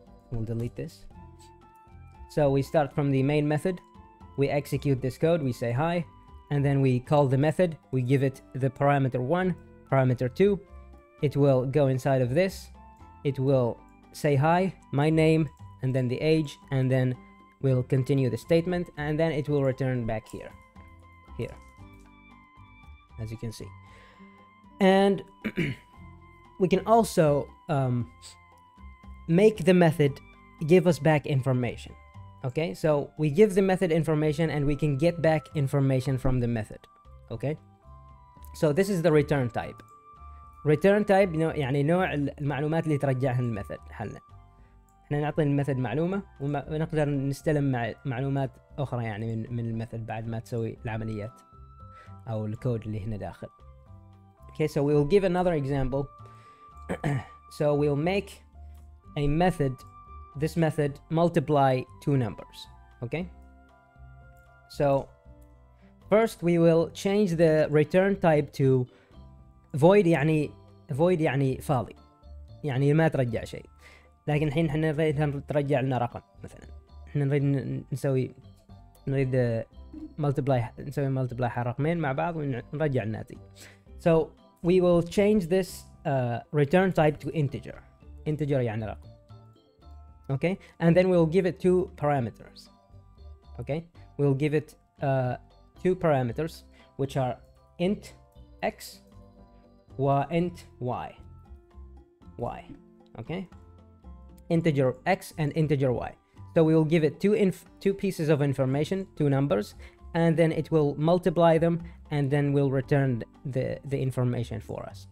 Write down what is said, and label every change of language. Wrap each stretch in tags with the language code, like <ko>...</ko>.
<en>We'll delete this. So we start from the main method, we execute this code, we say hi, and then we call the method, we give it the parameter 1, parameter 2, it will go inside of this, it will say hi, my name, and then the age, and then we'll continue the statement, and then it will return back here, as you can see. And we can also make the method give us back information. Okay, so we give the method information and we can get back information from the method. Okay, so this is the return type. Return type, you know,</en> <ar>يعني نوع المعلومات اللي ترجعها المethod حلنا. احنا نعطي الميثود معلومة ونقدر نستلم معلومات اخرى يعني من الميثود بعد ما تسوي العمليات او الكود اللي هنا داخل.</ar> <en>Okay, so we will give another example. So we'll make a method, this method, multiply two numbers. Okay? So first we will change the return type to void,</en> <ar>يعني void يعني فاضي, يعني ما ترجع شيء. لكن الحين احنا نريد نرجع لنا رقم مثلا, احنا نريد نريد multiply, نسوي multiply رقمين مع بعض ونرجع الناتج.</ar> <en>So we will change this return type to integer. Integer</en> <ar>يعني رقم.</ar> <en>Okay, and then we'll give it two parameters. Okay, we'll give it two parameters, which are int x and int y. Y. Okay, integer x and integer y. So we will give it two pieces of information, two numbers, and then it will multiply them, and then we'll return the information for us.</en>